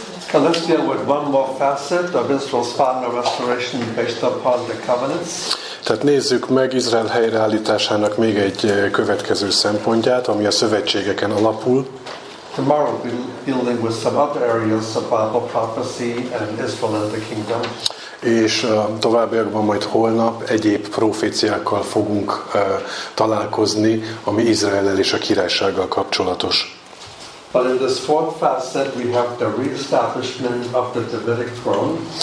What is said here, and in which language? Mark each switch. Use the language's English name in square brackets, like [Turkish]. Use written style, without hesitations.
[English] So let's deal with one more facet of Israel's final restoration based upon the covenants. [Hungarian] Tehát nézzük meg Izrael helyreállításának még egy következő szempontját, ami a szövetségeken alapul. [English] Tomorrow we'll be dealing with some other areas of Bible prophecy and Israel and the kingdom. [Hungarian] És továbbiakban majd holnap egyéb proféciákkal fogunk találkozni, ami Izraellel és a királysággal kapcsolatos. [English] But in this fourth facet we have the reestablishment of the Davidic throne.